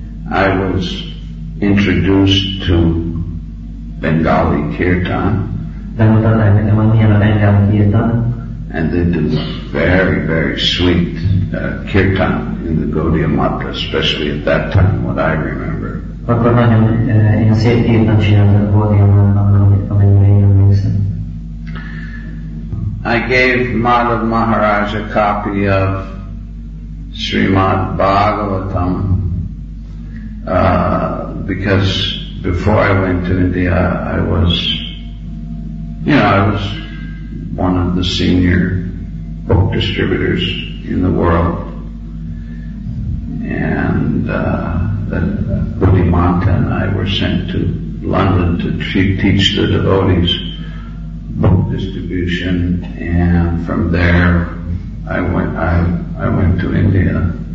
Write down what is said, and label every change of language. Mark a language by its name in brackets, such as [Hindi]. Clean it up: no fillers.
[English] I was introduced to Bengali kirtan, and they do very, very sweet kirtan in the Gaudiya Math, especially at that time, what I remember. [Hungarian] Akkor nagyon szép kirtan csinálnak a Gaudiya Math, amit emlékszem. [English] I gave Madhav Maharaj a copy of Srimad Bhagavatam, because before I went to India, I was, you know, I was one of the senior book distributors in the world, and that Bodhimanta and I were sent to London to teach the devotees book distribution, and from there I went to India.